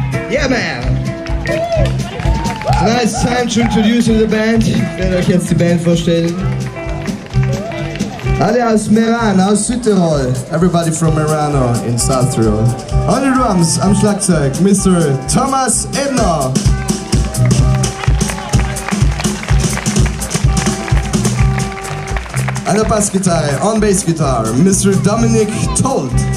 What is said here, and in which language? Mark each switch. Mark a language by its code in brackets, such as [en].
[en] Yeah, man! Tonight it's time to introduce the band. [de] Ich werde euch jetzt die Band vorstellen. Alle aus Meran, aus Südtirol. [en] Everybody from Merano in South Tirol. On the drums, [de] am Schlagzeug, [en] Mr. Thomas Ebner. [de] An der Bassgitarre, [en] on Bass Guitar, [de] Mr. Dominic Tolt.